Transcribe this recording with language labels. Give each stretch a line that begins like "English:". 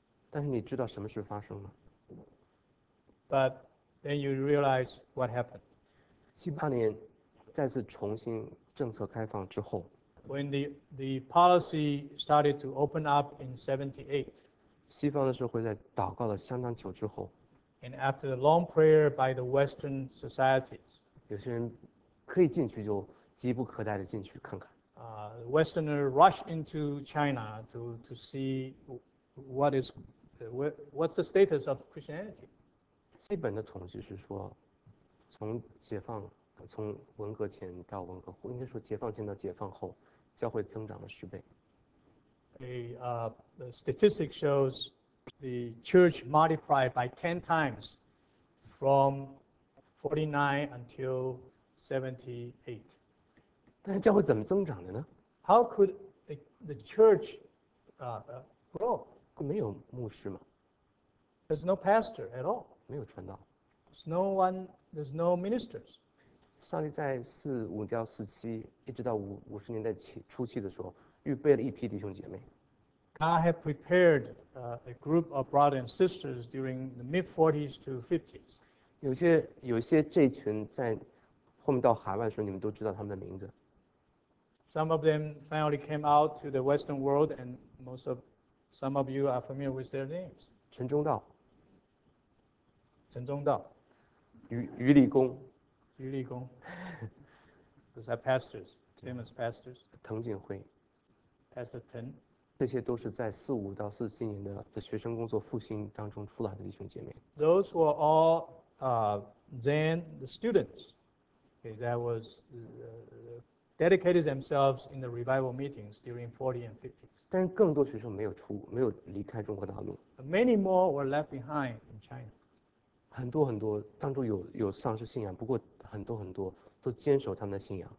Chinese: 但是你知道什么事发生吗？
English: But then you realize what happened.
Chinese: 78年再次重新政策开放之后。
English: When the policy started to open up in 78,
Chinese: 西方的社会在祷告了相当久之后，
English: and after the long prayer by the Western societies,
Chinese: 有些人可以进去就急不可待的进去看看。
English: Westerners rushed into China to see what's the status of Christianity.
Chinese: 基本的统计是说，从解放，从文革前到文革后，应该说解放前到解放后，教会增长了10倍。
English: The statistic shows the church multiplied by 10 times from 49 until 78.
Chinese: 但是教会怎么增长的呢？
English: How could the church grow?
Chinese: 没有牧师吗？
English: There's no pastor at all.
Chinese: 没有传道。
English: There's no one, there's no ministers.
Chinese: 上帝在45到47，一直到50年代初期的时候，预备了一批弟兄姐妹。
English: I have prepared a group of brothers and sisters during the mid-40s to 50s.
Chinese: 有些这群在后面到海外的时候，你们都知道他们的名字。
English: Some of them finally came out to the Western world, and some of you are familiar with their names.
Chinese: 陈忠道、陈忠道、于立功。
English: 余立功，those are pastors, famous pastors.
Chinese: 藤锦辉
English: ，Pastor Tim.
Chinese: 这些都是在45到47年的学生工作复兴当中出来的弟兄姐妹。
English: Those were all then the students. Okay, that was dedicated themselves in the revival meetings during 40 and 50s.
Chinese: 但更多学生没有离开中国大陆。
English: Many more were left behind in China.
Chinese: 很多当中有丧失信仰，不过很多都坚守他们的信仰。